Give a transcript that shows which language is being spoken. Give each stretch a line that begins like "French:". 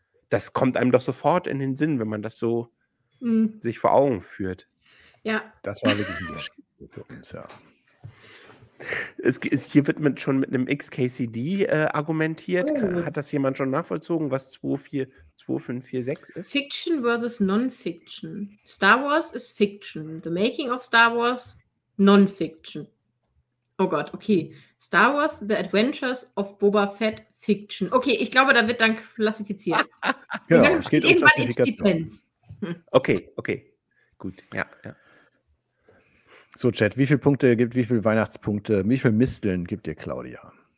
German: Das kommt einem doch sofort in den Sinn, wenn man das so sich vor Augen führt. Ja. Das war wirklich ein Geschenk für uns, ja. Hier wird schon mit einem XKCD argumentiert. Oh. Hat das jemand schon nachvollzogen, was 2546 ist?
English: Fiction versus Non-Fiction.
German: Star Wars ist Fiction.
English: The Making of Star Wars, Non-Fiction.
German: Oh Gott, okay. Star Wars, The Adventures of Boba Fett, Fiction. Okay, ich glaube, da wird dann klassifiziert. Genau, es geht um Klassifikation. Okay. Gut, ja. So, Chat, wie viele Punkte gibt, wie viele Weihnachtspunkte, wie viele Misteln gibt dir Claudia?